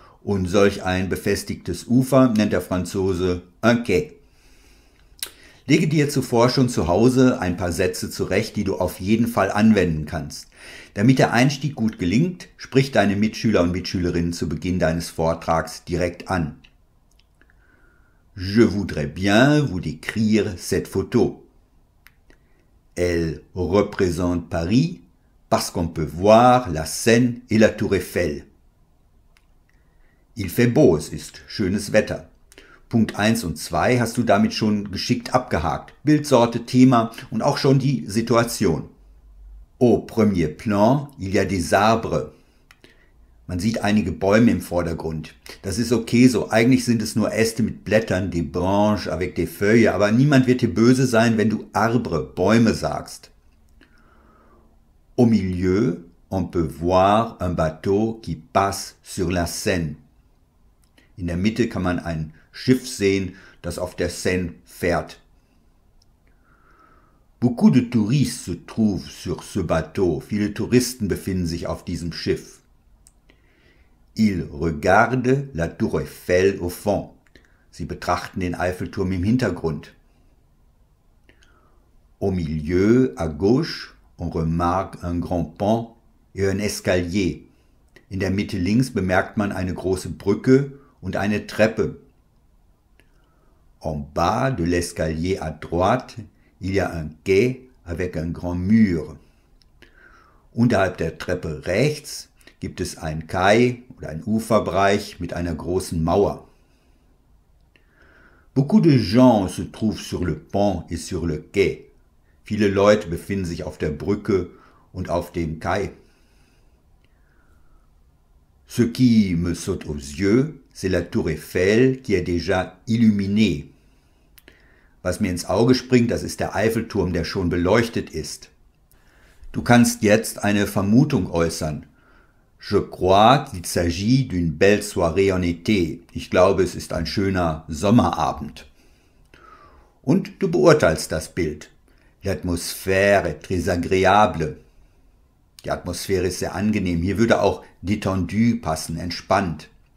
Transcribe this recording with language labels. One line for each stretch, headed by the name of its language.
German: Und solch ein befestigtes Ufer nennt der Franzose un quai. Lege dir zuvor schon zu Hause ein paar Sätze zurecht, die du auf jeden Fall anwenden kannst. Damit der Einstieg gut gelingt, sprich deine Mitschüler und Mitschülerinnen zu Beginn deines Vortrags direkt an.
French: Je voudrais bien vous décrire cette photo. Elle représente Paris parce qu'on peut voir la Seine et la Tour Eiffel. Il fait beau,
German: es ist schönes Wetter. Punkt 1 und 2 hast du damit schon geschickt abgehakt. Bildsorte, Thema und auch schon die Situation.
French: Au premier plan, il y a des arbres.
German: Man sieht einige Bäume im Vordergrund. Das ist okay so. Eigentlich sind es nur Äste mit Blättern,
French: des branches avec des feuilles.
German: Aber niemand wird dir böse sein, wenn du arbre, Bäume sagst.
French: Au milieu, on peut voir un bateau qui passe sur la Seine.
German: In der Mitte kann man ein Schiff sehen, das auf der Seine fährt.
French: Beaucoup de touristes se trouvent sur ce bateau.
German: Viele Touristen befinden sich auf diesem Schiff.
French: Il regarde la Tour Eiffel au fond.
German: Sie betrachten den Eiffelturm im Hintergrund.
French: Au milieu, à gauche, on remarque un grand pont et un escalier.
German: In der Mitte links bemerkt man eine große Brücke und eine Treppe.
French: En bas de l'escalier à droite, il y a un quai avec un grand mur.
German: Unterhalb der Treppe rechts gibt es ein Kai oder ein Uferbereich mit einer großen Mauer.
French: Beaucoup de gens se trouvent sur le pont et sur le quai.
German: Viele Leute befinden sich auf der Brücke und auf dem Kai.
French: Ce qui me saute aux yeux, c'est la Tour Eiffel qui est déjà illuminée.
German: Was mir ins Auge springt, das ist der Eiffelturm, der schon beleuchtet ist. Du kannst jetzt eine Vermutung äußern.
French: Je crois qu'il s'agit d'une belle soirée en été.
German: Ich glaube, es ist ein schöner Sommerabend. Und du beurteilst das Bild.
French: L'atmosphère est très agréable.
German: Die Atmosphäre ist sehr angenehm. Hier würde auch détendu passen, entspannt.